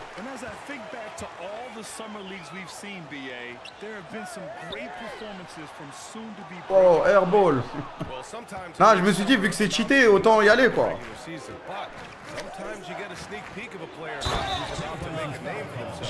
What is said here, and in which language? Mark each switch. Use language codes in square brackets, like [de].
[en] And as I think back to all the summer leagues we've seen, BA, there have been some great performances from soon to be. Oh, airball. Well, sometimes. [fr] Non, je me suis dit, vu que c'est cheaté, autant y aller, quoi. [en] Sometimes you get a sneak peek of a player who's about to make a name for himself.